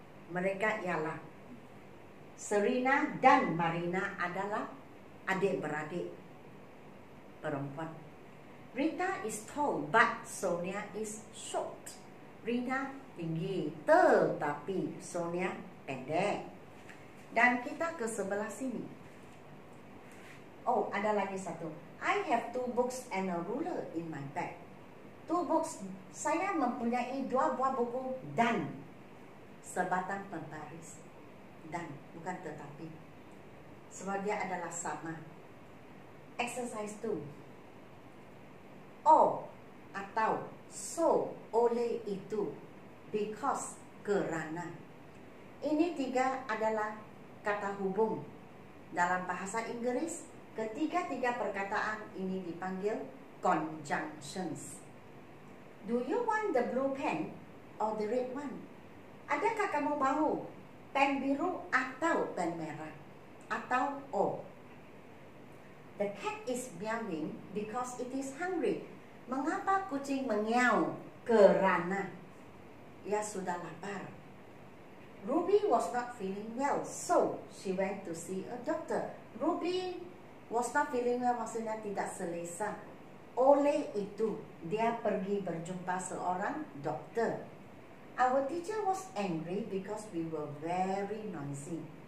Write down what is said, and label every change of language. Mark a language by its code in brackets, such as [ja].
[ms] Mereka ialah Serena dan Marina adalah adik-beradik perempuan. [en] Rita is tall, but Sonia is short. [ms] Rita tinggi, tetapi Sonia pendek. Dan kita ke sebelah sini. Oh, ada lagi satu. [en] I have two books and a ruler in my bag. Two books, [ms] saya mempunyai dua buah buku dan sebatang pembaris. Dan, bukan tetapi. Sebab dia adalah sama. [en] Exercise 2. [ms] Oh, atau so, oleh itu, because, kerana. Ini tiga adalah kata hubung. Dalam bahasa Inggris, ketiga-tiga perkataan ini dipanggil conjunctions. [en] Do you want the blue pen or the red one? [ms] Adakah kamu mahu pen biru atau pen merah? Atau oh. [en] The cat is meowing because it is hungry. [ms] Mengapa kucing mengiau? Kerana ia sudah lapar. [en] Ruby was not feeling well, so she went to see a doctor. Ruby was not feeling well, [ms] maksudnya tidak selesa. Oleh itu, dia pergi berjumpa seorang dokter. [en] Our teacher was angry because we were very noisy.